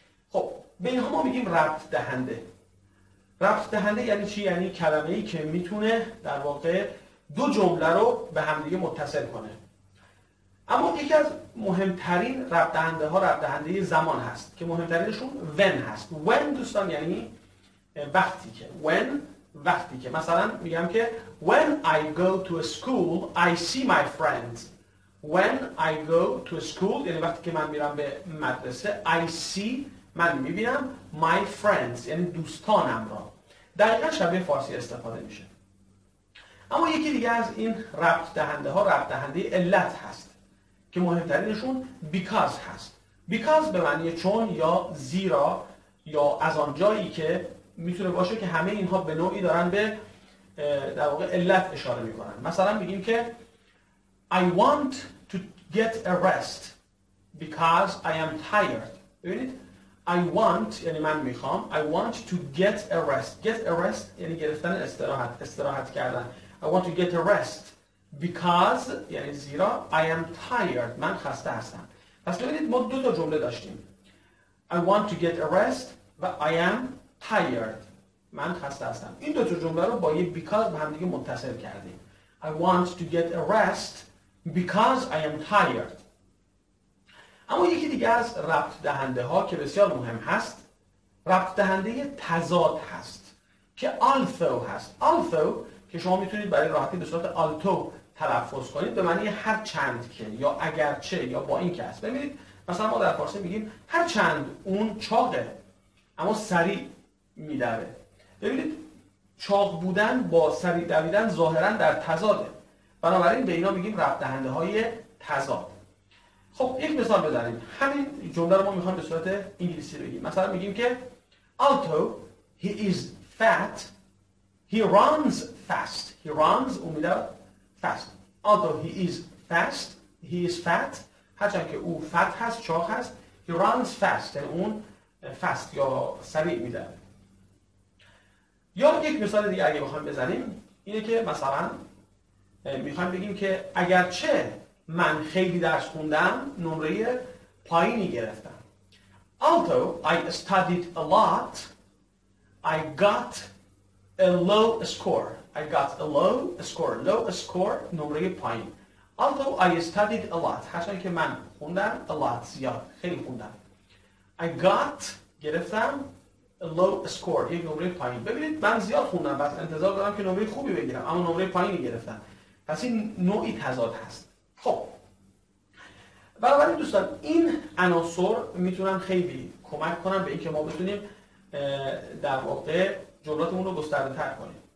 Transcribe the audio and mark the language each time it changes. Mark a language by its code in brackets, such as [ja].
[fa] خب به اینها ما میگیم ربط دهنده. ربط دهنده یعنی چی؟ یعنی کلمه‌ای که میتونه در واقع دو جمله رو به همدیگه متصل کنه. اما یکی از مهمترین ربط دهنده ها ربط دهنده زمان هست که مهمترینشون when هست. when دوستان یعنی وقتی که. when وقتی که. مثلا میگم که [en] when I go to school I see my friends. when I go to school [fa] یعنی وقتی که من میرم به مدرسه [en] I see [fa] من میبینم [en] my friends [fa] یعنی دوستانم را. دقیقا شبیه فارسی استفاده میشه. اما یکی دیگه از این ربط دهنده ها ربط دهنده علت هست که مهمترینشون because هست. because به معنی چون یا زیرا یا از آنجایی که میتونه باشه که همه اینها به نوعی دارن به در واقع علت اشاره میکنن. مثلا میگیم که [en] I want to get a rest because I am tired. [fa] ببینید [en] I want [fa] یعنی من میخوام. [en] I want to get a rest. get a rest [fa] یعنی گرفتن استراحت، استراحت کردن. [en] I want to get a rest because [fa] یعنی زیرا [en] I am tired [fa] من خسته هستم. پس ببینید ما دو تا جمله داشتیم [en] I want to get a rest [fa] و [en] I am tired [fa] من خسته هستم. این دو تا جمله رو با یه because به هم دیگه متصل کردیم. [en] I want to get a rest because I am tired. [fa] اما یکی دیگه از ربط دهنده ها که بسیار مهم هست ربط دهنده تضاد هست که also هست. also که شما میتونید برای راحتی به صورت alto تلفظ کنید به معنی هر چند که یا اگرچه یا با این که هست. ببینید مثلا ما در فارسی میگیم هر چند اون چاقه اما سریع میدوه. ببینید چاق بودن با سریع دویدن ظاهرا در تضاده، بنابراین به اینا میگیم ربط دهنده های تضاد. خب یک مثال بزنیم، همین جمله رو ما میخوام به صورت انگلیسی بگیم. مثلا میگیم که [en] although he is fat he runs fast. he runs [fa] اومده [en] fast. although he is fast he is fat [fa] هرچند که او [en] fat [fa] هست، چاق هست، [en] he runs fast [fa] یعنی اون [en] fast [fa] یا سریع میده. یا یک مثال دیگه اگه بخوام بزنیم اینه که مثلا میخوام بگیم که اگرچه من خیلی درس خوندم نمره پایینی گرفتم. [en] Although I studied a lot I got a low score. I got a low score. low score [fa] نمره پایین. [en] Although I studied a lot [fa] هرچند که من خوندم [en] a lot [fa] زیاد خیلی خوندم. [en] I got [fa] گرفتم [en] a low score [fa] یک نمره پایین. ببینید من زیاد خوندم بس انتظار دارم که نمره خوبی بگیرم اما نمره پایینی گرفتم. پس این نوعی تضاد هست. خب بنابراین دوستان این عناصر میتونن خیلی کمک کنن به اینکه ما بتونیم در واقع جملاتمون رو گسترده تر کنیم.